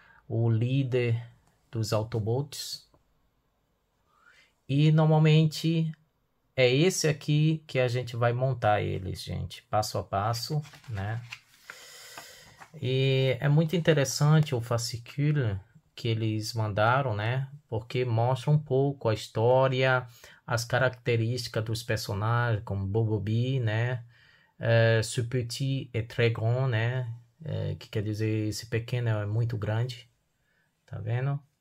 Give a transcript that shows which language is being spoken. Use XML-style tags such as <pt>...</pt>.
<pt>O líder dos Autobots. E normalmente é esse aqui que a gente vai montar eles, gente, passo a passo, né? E é muito interessante o fascículo que eles mandaram, né? Porque mostra um pouco a história, as características dos personagens, como Bumblebee, né?</pt> <fr>Ce petit est très grand, né?</fr> <pt>Que quer dizer, esse pequeno é muito grande, tá vendo?</pt>